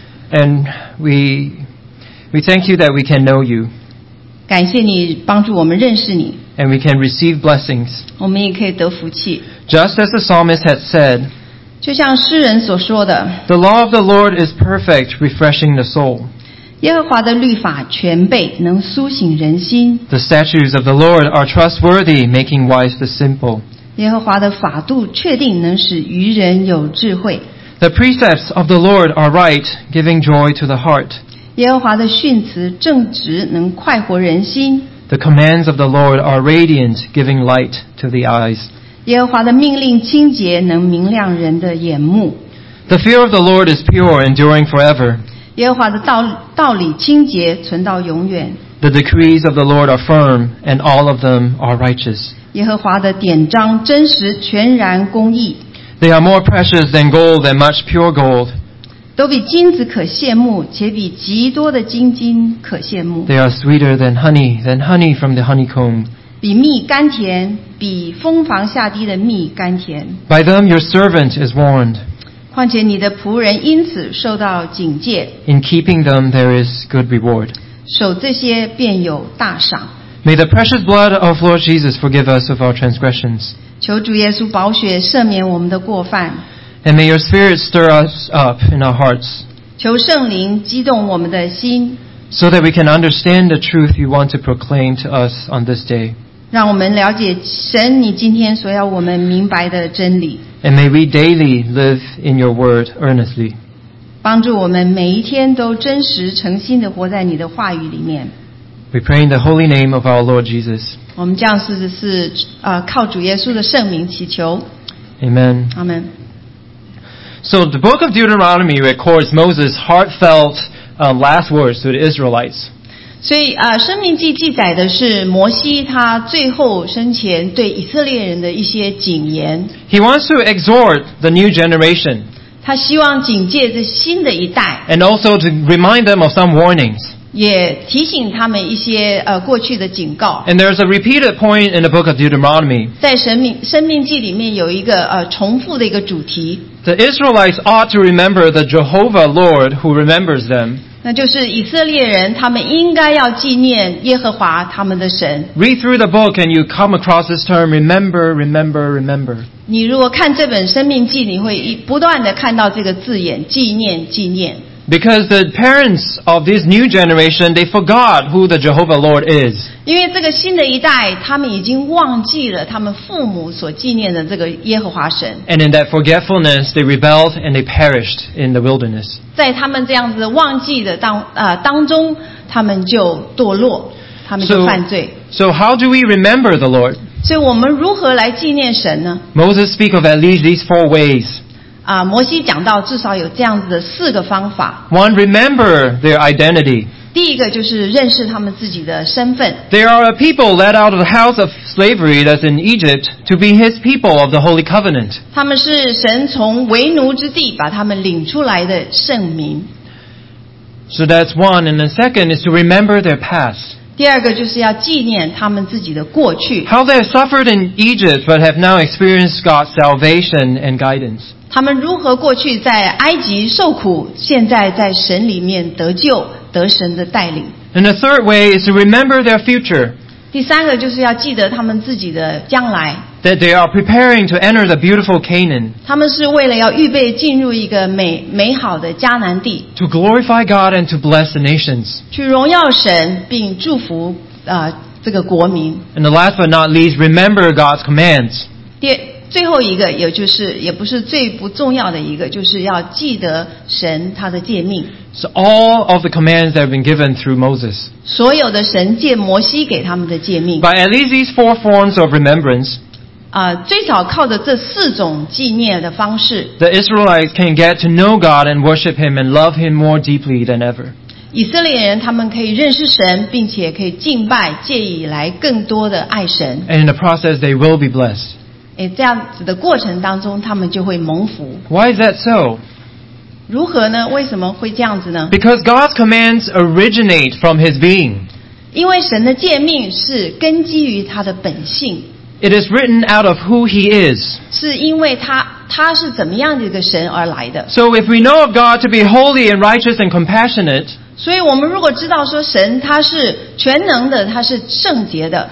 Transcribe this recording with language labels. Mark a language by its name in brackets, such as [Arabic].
[English] And we thank you that we can know you. [Chinese] 感谢你帮助我们认识你。 [English] And we can receive blessings. [Chinese] 我们也可以得福气。 [English] Just as the psalmist had said, [Chinese] 就像诗人所说的, [English] the law of the Lord is perfect, refreshing the soul. [Chinese] 耶和华的律法全备,能苏醒人心。 [English] The statutes of the Lord are trustworthy, making wise the simple. [Chinese] 耶和华的法度确定,能使愚人有智慧。 [English] The precepts of the Lord are right, giving joy to the heart. [Chinese] 耶和华的训词正直，能快活人心。 [English] The commands of the Lord are radiant, giving light to the eyes. [Chinese] 耶和华的命令清洁，能明亮人的眼目。 [English] The fear of the Lord is pure, enduring forever. [Chinese] 耶和华的道理清洁，存到永远。 [English] The decrees of the Lord are firm, and all of them are righteous. [Chinese] 耶和华的典章真实，全然公义。 [English] They are more precious than gold and much pure gold. [Chinese] 都比金子可羡慕，且比极多的金金可羡慕。 [English] They are sweeter than honey from the honeycomb. [Chinese] 比蜜甘甜，比蜂房下滴的蜜甘甜。 [English] By them your servant is warned. [Chinese] 况且你的仆人因此受到警戒。 [English] In keeping them there is good reward. [Chinese] 守这些便有大赏。 [English] May the precious blood of Lord Jesus forgive us of our transgressions. [Chinese] 求主耶稣宝血赦免我们的过犯。 [English] And may your spirit stir us up in our hearts. [Chinese] 求圣灵激动我们的心 [English] so that we can understand the truth you want to proclaim to us on this day. [Chinese] 让我们了解神你今天所要我们明白的真理 [English] And may we daily live in your word earnestly. [Chinese] 帮助我们每一天都真实诚心地活在你的话语里面 [English] We pray in the holy name of our Lord Jesus. [Chinese] 我们这样是靠主耶稣的圣名祈求 [English] Amen. Amen. So the book of Deuteronomy records Moses' heartfelt last words to the Israelites. [Chinese] 所以申命记记载的是摩西他最后生前对以色列人的一些警言。 [English] He wants to exhort the new generation. [Chinese] 他希望警戒这新的一代。 [English] And also to remind them of some warnings. [Chinese] 也提醒他们一些过去的警告。 [English] And there's a repeated point in the book of Deuteronomy. [Chinese] 在申命记里面有一个重复的一个主题。 [English] The Israelites ought to remember the Jehovah Lord who remembers them. [Chinese] 那就是以色列人，他们应该要纪念耶和华他们的神。 [English] Read through the book and you come across this term, remember, remember, remember. [Chinese] 你如果看这本申命记，你会不断的看到这个字眼，纪念，纪念。 [English] Because the parents of this new generation, they forgot who the Jehovah Lord is. [Chinese] 因为这个新的一代，他们已经忘记了他们父母所纪念的这个耶和华神。 [English] And in that forgetfulness, they rebelled and they perished in the wilderness. [Chinese] 在他们这样子忘记的当中，他们就堕落，他们就犯罪。 [English] So how do we remember the Lord? [Chinese] 所以我们如何来纪念神呢？ [English] Moses speaks of at least these four ways. [Chinese] 摩西讲到至少有这样子的四个方法 [English] One, remember their identity [Chinese] 第一个就是认识他们自己的身份 [English] There are a people led out of the house of slavery that's in Egypt to be his people of the Holy Covenant [Chinese] 他们是神从为奴之地把他们领出来的圣民 [English] So that's one and the second is to remember their past [Chinese] 第二个就是要纪念他们自己的过去 [English] How they have suffered in Egypt but have now experienced God's salvation and guidance [Chinese] 他们如何过去在埃及受苦，现在在神里面得救，得神的带领。 [English] And the third way is to remember their future. [Chinese] 第三个就是要记得他们自己的将来。 [English] That they are preparing to enter the beautiful Canaan. [Chinese] 他们是为了要预备进入一个美好的迦南地。 [English] To glorify God and to bless the nations. [Chinese] 去荣耀神并祝福这个国民。 [English] And the last but not least, remember God's commands. [Chinese] 最后一个也就是也不是最不重要的一个就是要记得神他的诫命 [English] So all of the commands that have been given through Moses [Chinese] 所有的神借摩西给他们的诫命 [English] By at least these four forms of remembrance [Chinese] 最少靠着这四种纪念的方式 [English] The Israelites can get to know God and worship him and love him more deeply than ever [Chinese] 以色列人他们可以认识神并且可以敬拜借以来更多的爱神 [English] And in the process they will be blessed [Chinese] 这样子的过程当中他们就会蒙福 [English] Why is that so? [Chinese] 如何呢为什么会这样子呢 [English] Because God's commands originate from his being [Chinese] 因为神的诫命是根基于他的本性 [English] It is written out of who he is [Chinese] 是因为他是怎么样的一个神而来的 [English] So if we know of God to be holy and righteous and compassionate [Chinese] 所以我们如果知道说神他是全能的他是圣洁的